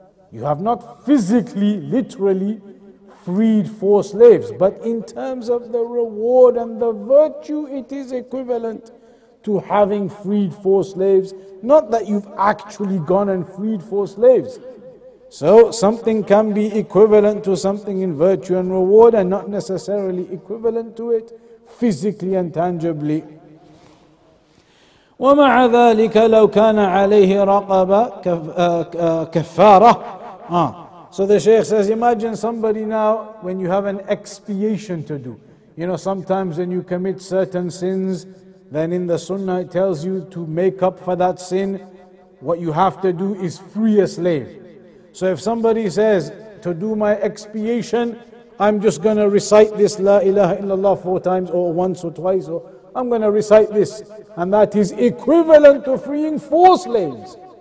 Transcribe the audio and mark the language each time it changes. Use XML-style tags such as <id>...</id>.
<en>You have not physically, literally freed four slaves, but in terms of the reward and the virtue, it is equivalent to having freed four slaves. Not that you've actually gone and freed four slaves. So something can be equivalent to something in virtue and reward and not necessarily equivalent to it physically and tangibly.</en> <ar>ومع ذلك لو كان عليه رقبة كفارة.</ar> <en>So the Shaykh says, imagine somebody now when you have an expiation to do. You know, sometimes when you commit certain sins, then in the Sunnah it tells you to make up for that sin. What you have to do is free a slave. So if somebody says, to do my expiation, I'm just going to recite this La ilaha illallah four times or once or twice, or I'm going to recite this, and that is equivalent to freeing four slaves.</en>